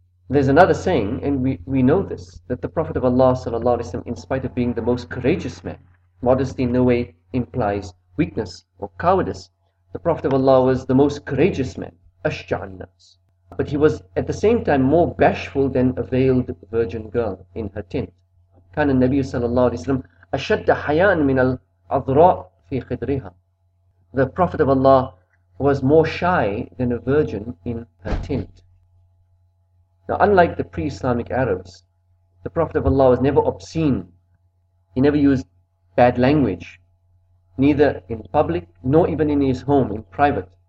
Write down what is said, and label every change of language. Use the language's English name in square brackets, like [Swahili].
[English] There's another saying, and we know this, that the Prophet of Allah sallallahu alaihi wasallam, in spite of being the most courageous man, modesty in no way implies weakness or cowardice. The Prophet of Allah was the most courageous man, [Arabic] ashja'an nas. [English] But he was at the same time more bashful than a veiled virgin girl in her tent. [Arabic] كان النبي صلى الله عليه وسلم أشد حيان من العذراء في خدرها. [English] The Prophet of Allah was more shy than a virgin in her tent. Now, unlike the pre-Islamic Arabs, the Prophet of Allah was never obscene. He never used bad language, neither in public nor even in his home, in private.